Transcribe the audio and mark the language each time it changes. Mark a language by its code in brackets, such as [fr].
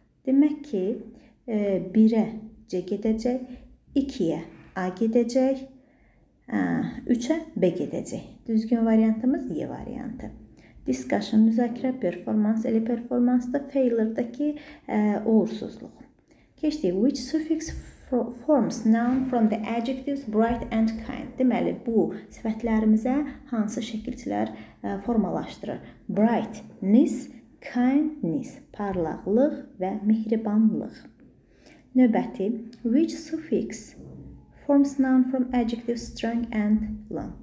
[az] Demək ki, 1-ə C gedəcək, 2-yə A gedəcək. 3-ə B gedəcək. Düzgün variantımız Y variantı. Discussion, müzakirə, performance, elə performansda, failure-dəki uğursuzluq. Keçdi, [en] which suffix forms noun from the adjectives bright and kind? [az] Deməli, bu sifətlərimizə hansı şəkilçilər formalaşdırır? Brightness, kindness, parlaqlıq və mehribanlıq. Növbəti, [en] which suffix forms noun from adjective strong and long.